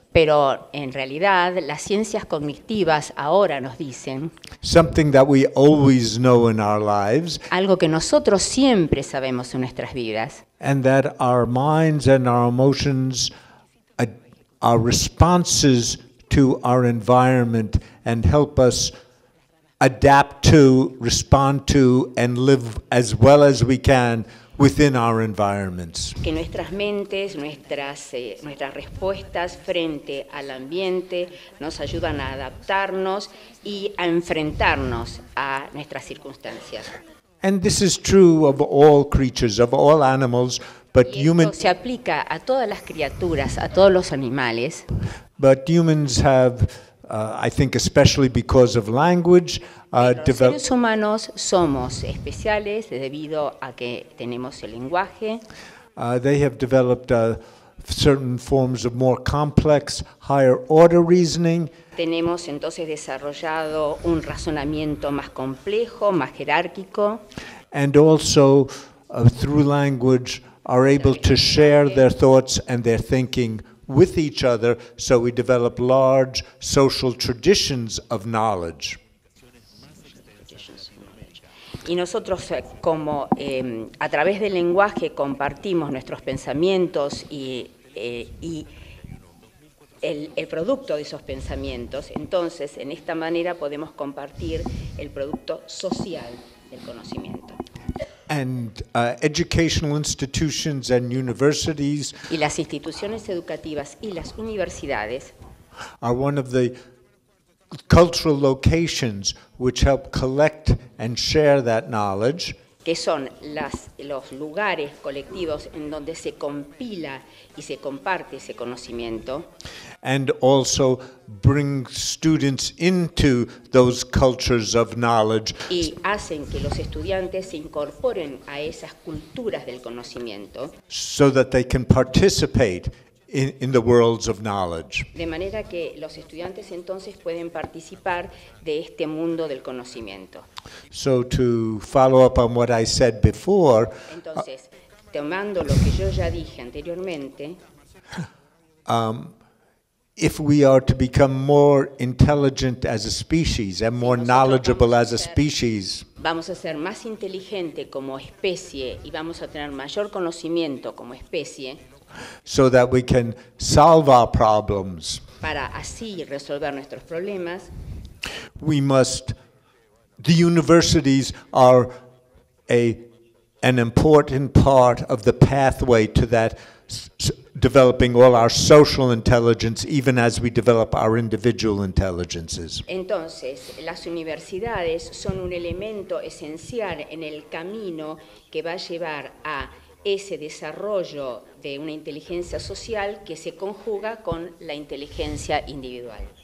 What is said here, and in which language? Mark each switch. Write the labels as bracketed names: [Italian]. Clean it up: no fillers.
[Spanish] Pero en realidad las ciencias cognitivas ahora nos dicen [English] something that we always know in our lives, [Spanish] algo que nosotros siempre sabemos en nuestras vidas, [English] and that our minds and our emotions are responses to our environment and help us adapt to, respond to, and live as well as we can within our environments. [Spanish] Que nuestras mentes, nuestras respuestas frente al ambiente nos ayudan a adaptarnos y a enfrentarnos a nuestras circunstancias. [English] And this is true of all creatures, of all animals, but humans. [Spanish] Se aplica a todas las criaturas, a todos los animales. [English] But humans have, I think, especially because of language. [Spanish] Los seres humanos somos especiales debido a que tenemos el lenguaje. [English] They have developed certain forms of more complex, higher order reasoning. [Spanish] Tenemos entonces desarrollado un razonamiento más complejo, más jerárquico. [English] And also, through language, are able to share their thoughts and their thinking with each other, so we develop large social traditions of knowledge. [Spanish] Y nosotros, como a través del lenguaje, compartimos nuestros pensamientos y el producto de esos pensamientos, entonces en esta manera podemos compartir el producto social del conocimiento. [English] And educational institutions and universities, [Spanish] y las instituciones educativas y las universidades, [English] are one of the cultural locations which help collect and share that knowledge, [Spanish] que son los lugares colectivos en donde se compila y se comparte ese conocimiento, [English] and also bring students into those cultures of knowledge, [Spanish] y hacen que los estudiantes se incorporen a esas culturas del conocimiento, [English] so that they can participate in the worlds of knowledge. [Spanish] De manera que los estudiantes entonces pueden participar de este mundo del conocimiento. [English] So to follow up on what I said before. [Spanish] Entonces, tomando lo que yo ya dije anteriormente. [English] If we are to become more intelligent as a species and more knowledgeable as a species. [Spanish] Vamos a ser más inteligente como especie y vamos a tener mayor conocimiento como especie. [English] So that we can solve our problems. [Spanish] Para así resolver nuestros problemas. [English] The universities are an important part of the pathway to that developing all our social intelligence, even as we develop our individual intelligences. [Spanish] Entonces, las universidades son un elemento esencial en el camino que va a llevar a ese desarrollo de una inteligencia social que se conjuga con la inteligencia individual.